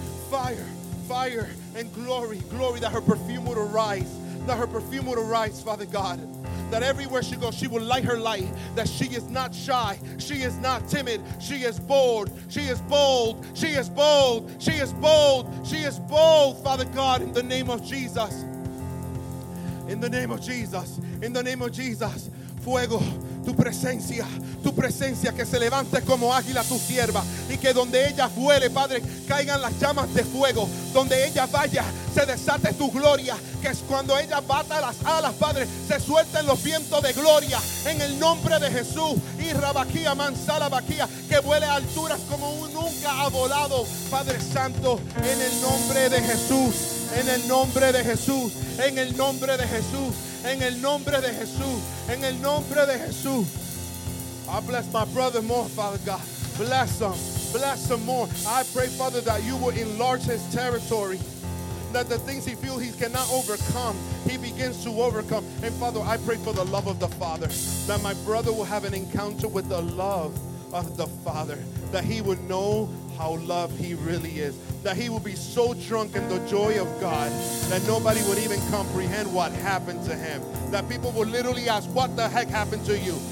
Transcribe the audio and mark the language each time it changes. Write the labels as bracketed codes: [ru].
[en] Fire of God, fire and glory, glory, that her perfume would arise, that her perfume would arise, Father God, that everywhere she goes, she will light her light, that she is not shy, she is not timid, she is bold, she is bold, she is bold, she is bold, she is bold, Father God, in the name of Jesus. In the name of Jesus, [es] in the name of Jesus, fuego, tu presencia, que se levante como águila tu sierva, y que donde ella vuele, Padre, caigan las llamas de fuego, donde ella vaya, se desate tu gloria, que es cuando ella bata las alas, Padre, se suelten los vientos de gloria, en el nombre de Jesús, y rabaquía, mansala vaquía, que vuele a alturas como nunca ha volado, Padre Santo, en el nombre de Jesús. En el nombre de Jesús, en el nombre de Jesús, en el nombre de Jesús, en el nombre de Jesús. [en] I bless my brother more, Father God. Bless him more. I pray, Father, that you will enlarge his territory, that the things he feels he cannot overcome, he begins to overcome. And Father, I pray for the love of the Father, that my brother will have an encounter with the love of the Father, that he would know how loved he really is, that he will be so drunk in the joy of God that nobody would even comprehend what happened to him, that people would literally ask, what the heck happened to you?